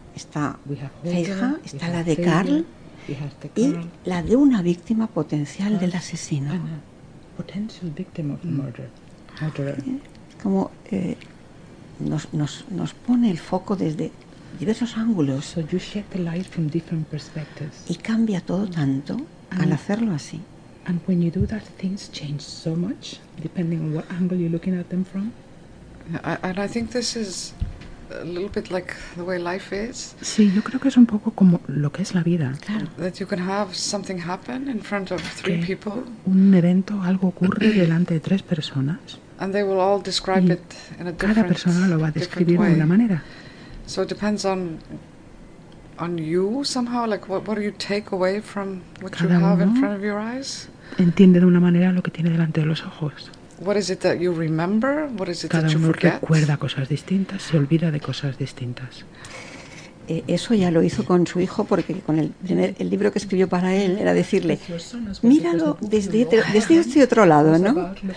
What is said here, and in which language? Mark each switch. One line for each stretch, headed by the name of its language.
Spanish: está Feija, está la de Carl y la de una víctima potencial del asesino.
English: Potential victim of murder.
Spanish: Como nos pone el foco desde diversos ángulos.
English: So you shed the light from different perspectives.
Spanish: Y cambia todo tanto al hacerlo así.
English: And when you do that, things change so much depending on what angle you're looking at them from. And I think this is a little bit like the way life is.
Spanish: Sí, yo creo que es un poco como lo que es la vida. Claro.
English: That you can have something happen in front of three people.
Spanish: Un evento, algo ocurre delante de tres personas.
English: And they will all describe it in a different.
Spanish: Cada persona lo va a describir de una manera.
English: So it depends on you somehow, like what do you take away from what
Spanish: cada
English: you have in front of your eyes?
Spanish: Entiende de una manera lo que tiene delante de los ojos.
English: What is it that you remember? What is it
Spanish: cada
English: that you forget?
Spanish: Cada uno recuerda cosas distintas, se olvida de cosas distintas. Eso ya lo hizo con su hijo, porque con el libro que escribió para él era decirle, míralo desde este otro lado, ¿no?